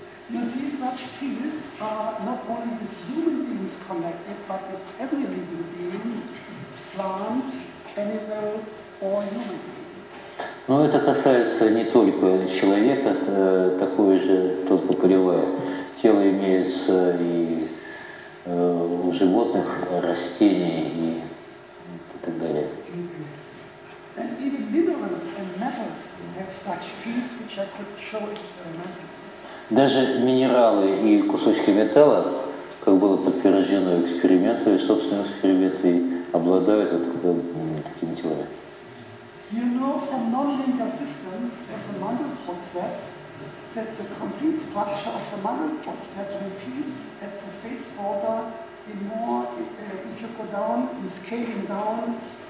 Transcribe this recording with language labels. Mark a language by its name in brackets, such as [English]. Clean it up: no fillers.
[English] You see, such fields are not only with human beings connected, but with every living being, plant, animal, or human being. [Russian] Ну, это касается не только человека, такое же, только полевое. Тело имеется и у животных, растений и так далее. [English] And even minerals and metals have such fields which I could show experimentally. [Russian] Даже минералы и кусочки металла, как было подтверждено экспериментами, собственными экспериментами, обладают вот такими телами. [English] You know from nonlinear systems, as a Mandelbrot set, that the complete structure of the Mandelbrot set repeats at the face order in more if you go down in scaling down.